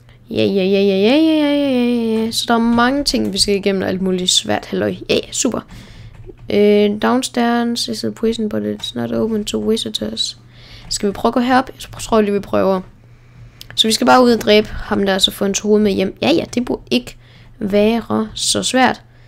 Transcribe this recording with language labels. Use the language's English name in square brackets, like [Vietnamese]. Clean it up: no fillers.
[Danish] Ja. Så der er mange ting, vi skal igennem, og alt muligt svært halløj. Ja, super. [English] Downstairs is a prison, but it's not open to visitors. [Danish] Skal vi prøve at gå herop? Jeg tror lige, vi prøver. Så vi skal bare ud og dræbe ham der, så få en hoved med hjem. Ja, det burde ikke være så svært.